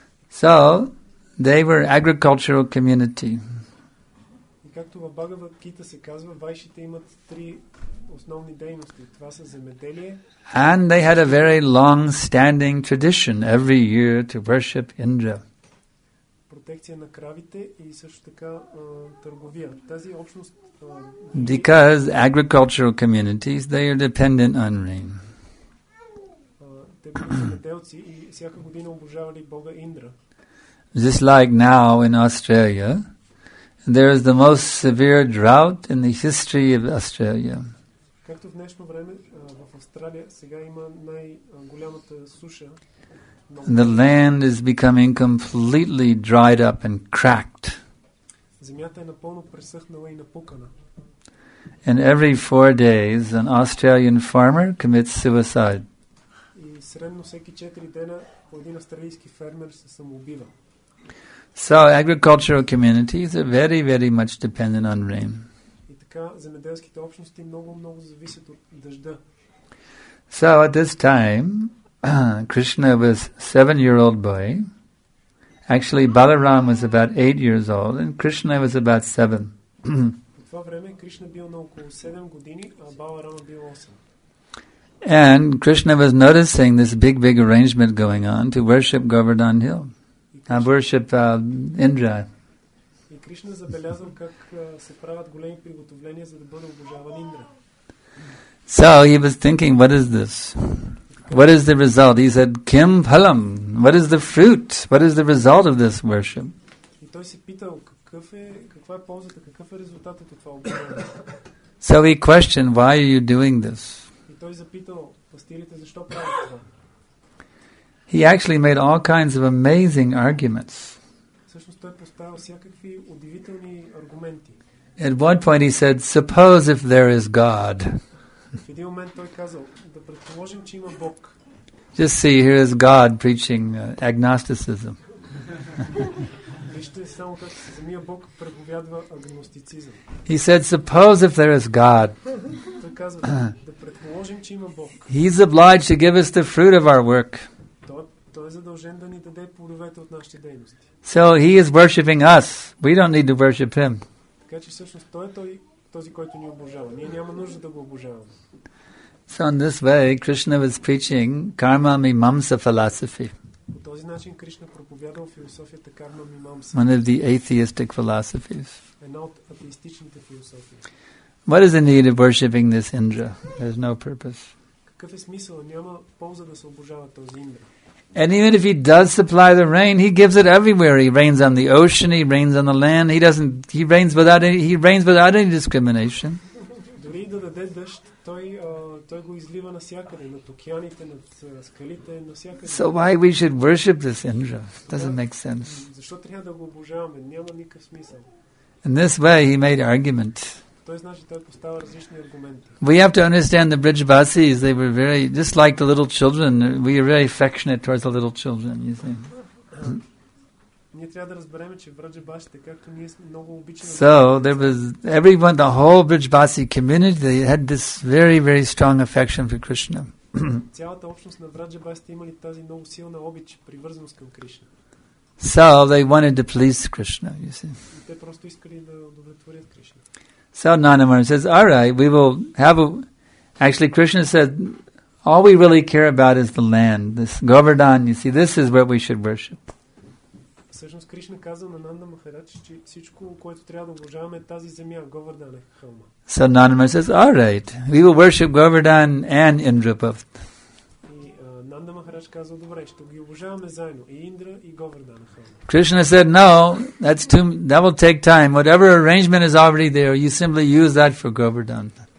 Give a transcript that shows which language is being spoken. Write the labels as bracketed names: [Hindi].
[English] So they were agricultural community. [Bulgarian] Както в Бхагавад Гита се казва, вайшите имат три основни дейности. Това са земеделие. [English] And they had a very long-standing tradition every year to worship Indra. [Bulgarian] Протекция на кравите и също така търговия. Тази общност. [English] Because agricultural communities, they are dependent on rain. [Bulgarian] Те били земеделци и всяка година обожавали Бога Индра. [English] Just like now in Australia, there is the most severe drought in the history of Australia. [Bulgarian] както в днешно време в Австралия сега има най-голямата суша. [English] The land is becoming completely dried up and cracked. [Bulgarian] Земята е напълно пресъхнала и напукана. [English] And every four days an Australian farmer commits suicide. [Bulgarian] И средно всеки 4 дена един австралийски фермер се самоубива. [English] So agricultural communities are very, very much dependent on rain. [Bulgarian] И така земеделските общности много зависят от дъжда. [English] So at this time Krishna was 7-year-old boy. Actually Balaram was about 8 years old and Krishna was about 7. [Bulgarian] В това време Кришна бил на около 7 години, а Баларама бил 8. [English] And Krishna was noticing this big, big arrangement going on to worship Govardhan Hill. Indra. [Bulgarian] И Кришна забелязал как се правят големи приготовления за да бъде обожаван Индра. [English] So he was thinking, what is this? What is the result? He said, [Sanskrit] Kim phalam? [English] What is the fruit? What is the result of this worship? [Bulgarian] И той се питал каква е ползата, какъв е резултатът от това обожание. [English] So he questioned, why are you doing this? [Bulgarian] Той запитал пастирите защо правят това. [English] He actually made all kinds of amazing arguments. [Bulgarian] Всъщност той поставил всякакви удивителни аргументи. [English] At one point he said, suppose if there is God. [Bulgarian] В един момент той казал, да предположим, че има Бог. [English] Just see, here is God preaching agnosticism. [Bulgarian] Вижте само как самия Бог проповядва агностицизъм. [English] He said, suppose if there is God. [Bulgarian] Той казва, да предположим, че има Бог. [English] He's obliged to give us the fruit of our work. [Bulgarian] Той е задължен да ни даде плодовете от нашите дейности. [English] So he is worshiping us. We don't need to worship him. [Bulgarian] Така че всъщност той е този, който ни обожава. Ние няма нужда да го обожаваме. [English] So in this way, Krishna was preaching karma mimamsa philosophy. [Bulgarian] По този начин Кришна проповядал философията карма мимамса. [English] One of the atheistic philosophies. [Bulgarian] Една от атеистичните философии. [English] What is the need of worshiping this Indra? There's no purpose. [Bulgarian] Какъв е смисъл? Няма полза да се обожава този Индра. [English] And even if he does supply the rain, he gives it everywhere. He rains on the ocean, he rains on the land. He rains without any discrimination. [Bulgarian] Дори да даде дъжд, той го излива навсякъде, над океаните, над скалите, навсякъде. [English] So why we should worship this Indra? Doesn't make sense. [Bulgarian] Защо трябва да го обожаваме? Няма никакъв смисъл. [English] In this way he made argument. [Bulgarian] Той значи той поставя различни аргументи. [English] We have to understand the Brijbasis, they were very just like the little children. We are very affectionate towards the little children, you see. [Bulgarian] Ние трябва да разберем, че Брджбасите, както ние сме много обичаме. [English] So there was everyone, the whole Brijbasi community, they had this very, very strong affection for Krishna. [Bulgarian] Цялата общност на Брджбасите имали тази много силна обич, привързаност към Кришна. [English] So they wanted to please Krishna, you see. [Bulgarian] Те просто искали да удовлетворят Кришна. [English] So Nanda Maharaj says, all right, we will have a... Actually, Krishna said, all we really care about is the land, this Govardhan, you see, this is what we should worship. [Bulgarian] Всъщност, Кришна каза на Нанда Махарадж, че всичко, което трябва да уважаваме, е тази земя, Говардан е хълма. [English] So Nanda Maharaj says, all right, we will worship Govardhan and Indraprastha. [Bulgarian] Нанда Махарадж казал, добре, ще ги обожаваме заедно и Индра и Говардана. [English] Krishna said, no, that will take time. Whatever arrangement is already there, you simply use that for Govardhan.